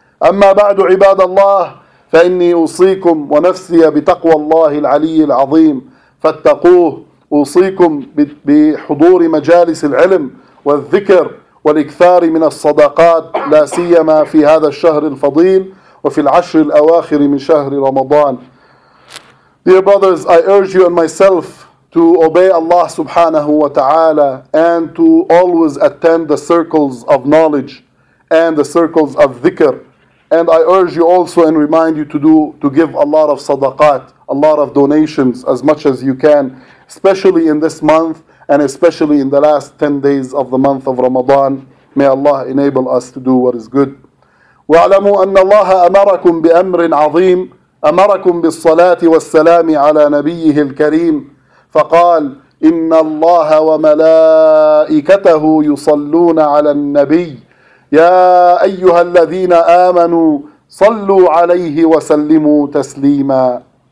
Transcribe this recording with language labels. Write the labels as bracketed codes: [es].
[ar] أما بعد عباد الله، فإني أوصيكم ونفسي بتقوى الله العلي العظيم، فاتقوه. أوصيكم بحضور مجالس العلم والذكر والإكثار من الصدقات، لا سيما في هذا الشهر الفضيل وفي العشر الأواخر من شهر رمضان. [en] Dear brothers, I urge you and myself to obey Allah subhanahu wa ta'ala and to always attend the circles of knowledge and the circles of dhikr. And I urge you also and remind you to give a lot of sadaqat, a lot of donations, as much as you can, especially in this month and especially in the last 10 days of the month of Ramadan. May Allah enable us to do what is good. [ar] وَعْلَمُوا أَنَّ اللَّهَ أَمَرَكُمْ بِأَمْرٍ عَظِيمٍ أمركم بالصلاة والسلام على نبيه الكريم، فقال: إن الله وملائكته يصلون على النبي، يا أيها الذين آمنوا صلوا عليه وسلموا تسليما.